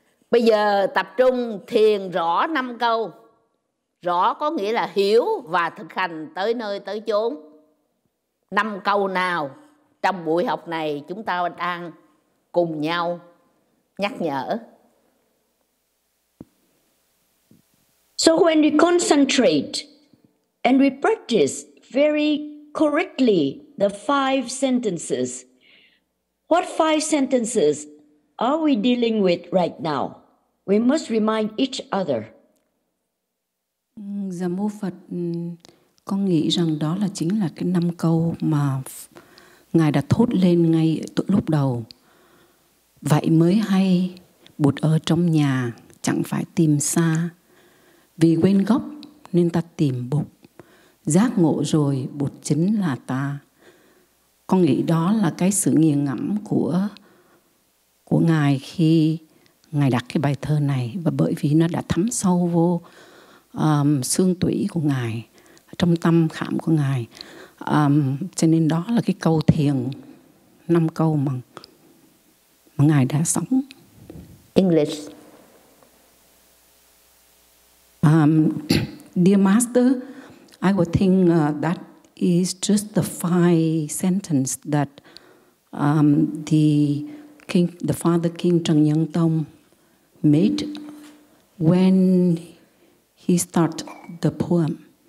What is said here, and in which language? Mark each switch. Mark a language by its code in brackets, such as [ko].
[vi] Bây giờ tập trung thiền rõ năm câu. Rõ có nghĩa là hiểu và thực hành tới nơi tới chốn. Năm câu nào trong buổi học này chúng ta đang cùng nhau nhắc nhở? [en] So when we concentrate and we practice very correctly the five sentences, what five sentences are we dealing with right now? We must remind each other. [vi] Dạ mô Phật, con nghĩ rằng đó là chính là cái năm câu mà Ngài đã thốt lên ngay lúc đầu. Vậy mới hay, Bụt ở trong nhà chẳng phải tìm xa. Vì quên gốc nên ta tìm Bụt. Giác ngộ rồi, Bụt chính là ta. Con nghĩ đó là cái sự nghiền ngẫm của Ngài khi Ngài đặt cái bài thơ này. Và bởi vì nó đã thấm sâu vô xương tủy của Ngài, trong tâm khảm của Ngài, cho nên đó là cái câu thiền năm câu mà Ngài đã sống. [en] English. Dear Master, I would think that is just the five sentence that the Father King Trần Nhân Tông made when he started the poem.